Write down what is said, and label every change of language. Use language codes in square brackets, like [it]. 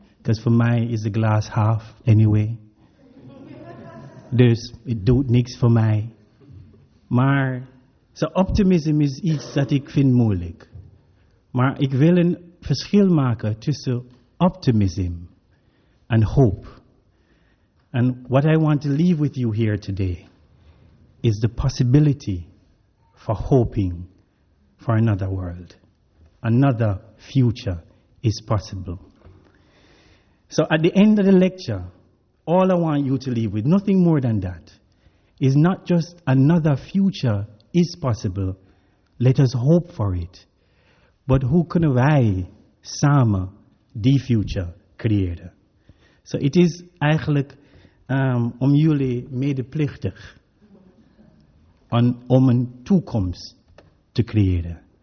[en] Because for [nl] mij is de glas half anyway. Dus het doet niks voor mij. Maar, so optimism is iets dat ik vind moeilijk. Maar ik wil een verschil maken tussen optimism en hoop. [en] And what I want to leave with you here today is the possibility for hoping for another world. Another future is possible. So at the end of the lecture, all I want you to leave with, nothing more than that, is not just another future is possible, let us hope for it, but who can I [nl] samen [en] the future [nl] creëren? [en] So it is [nl] eigenlijk om jullie medeplichtig om een toekomst te creëren.